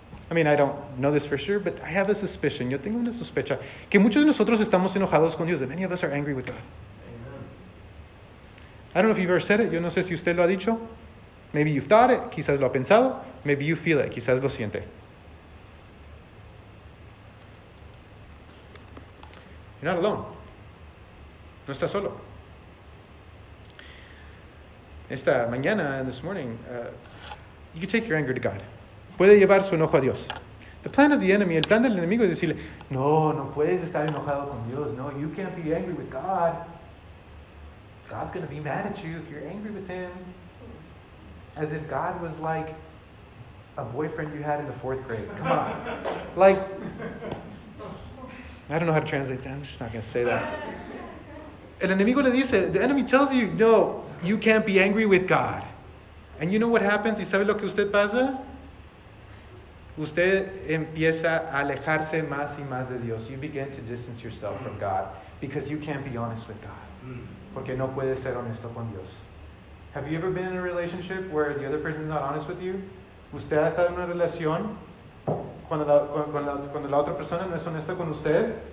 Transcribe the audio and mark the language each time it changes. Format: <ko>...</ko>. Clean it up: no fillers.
<en>I mean, I don't know this for sure, but I have a suspicion.</en> <es>Yo tengo una sospecha que muchos de nosotros estamos enojados con Dios.</es> <en>That many of us are angry with God. Amen. I don't know if you've ever said it.</en> <es>Yo no sé si usted lo ha dicho.</es> <en>Maybe you've thought it.</en> <es>Quizás lo ha pensado.</es> <en>Maybe you feel it.</en> <es>Quizás lo siente.</es> <en>You're not alone.</en> <es>No está solo. Esta mañana,</es> <en>this morning, you can take your anger to God.</en> <es>Puede llevar su enojo a Dios.</es> <en>The plan of the enemy,</en> <es>el plan del enemigo es decirle, no, no puedes estar enojado con Dios.</es> <en>No, you can't be angry with God. God's going to be mad at you if you're angry with him. As if God was like a boyfriend you had in the fourth grade. Come on. Like, I don't know how to translate that. I'm just not going to say that.</en> <es>El enemigo le dice,</es> <en>the enemy tells you, no, you can't be angry with God. And you know what happens?</en> <es>¿Y sabe lo que usted pasa? Usted empieza a alejarse más y más de Dios.</es> <en>You begin to distance yourself from God because you can't be honest with God.</en> <es>Porque no puede ser honesto con Dios.</es> <en>Have you ever been in a relationship where the other person is not honest with you?</en> <es>¿Usted ha estado en una relación cuando la otra persona no es honesta con usted?</es>